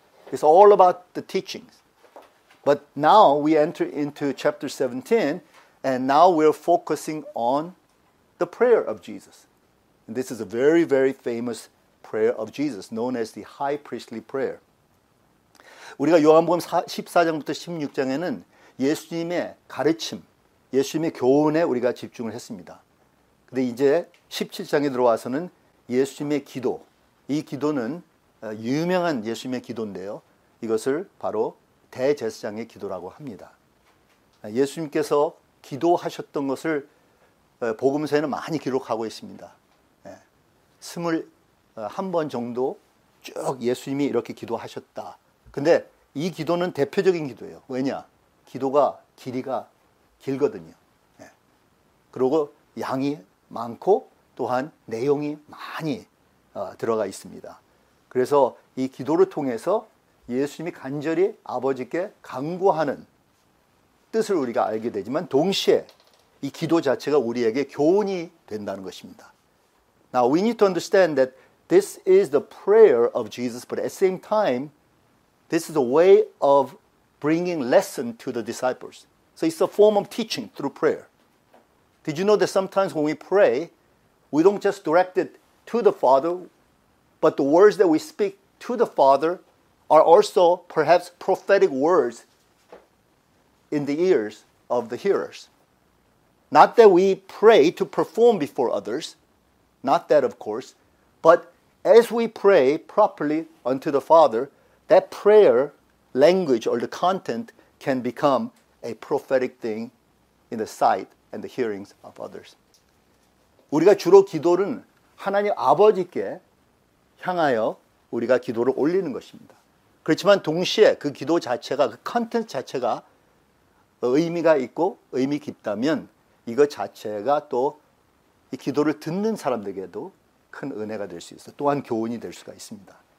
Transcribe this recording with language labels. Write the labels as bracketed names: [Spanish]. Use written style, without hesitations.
[English] It's all about the teachings. But now we enter into chapter 17, and now we're focusing on the prayer of Jesus. And this is a very, very famous prayer of Jesus, known as the high priestly prayer. [Korean] 우리가 요한복음 14장부터 16장에는 예수님의 가르침, 예수님의 교훈에 우리가 집중을 했습니다. 근데 이제 17장에 들어와서는 예수님의 기도. 이 기도는 유명한 예수님의 기도인데요. 이것을 바로 대제사장의 기도라고 합니다. 예수님께서 기도하셨던 것을 복음서에는 많이 기록하고 있습니다. 21번 정도 쭉 예수님이 이렇게 기도하셨다. 근데 이 기도는 대표적인 기도예요. 왜냐? 기도가 길이가 길거든요. 그리고 양이 많고 또한 내용이 많이 들어가 있습니다. 그래서 이 기도를 통해서 예수님이 간절히 아버지께 간구하는 뜻을 우리가 알게 되지만 동시에 이 기도 자체가 우리에게 교훈이 된다는 것입니다. [English] Now we need to understand that this is the prayer of Jesus, but at the same time, this is a way of bringing lesson to the disciples. So it's a form of teaching through prayer. Did you know that sometimes when we pray, we don't just direct it to the Father, but the words that we speak to the Father are also perhaps prophetic words in the ears of the hearers. Not that we pray to perform before others, not that of course, but as we pray properly unto the Father, that prayer language or the content can become a prophetic thing in the sight and the hearings of others. [Korean] 우리가 주로 기도는 하나님 아버지께 향하여 우리가 기도를 올리는 것입니다. 그렇지만 동시에 그 기도 자체가, 그 컨텐츠 자체가 의미가 있고 의미 깊다면 이것 자체가 또 이 기도를 듣는 사람들에게도 큰 은혜가 될 수 있어 또한 교훈이 될 수가 있습니다.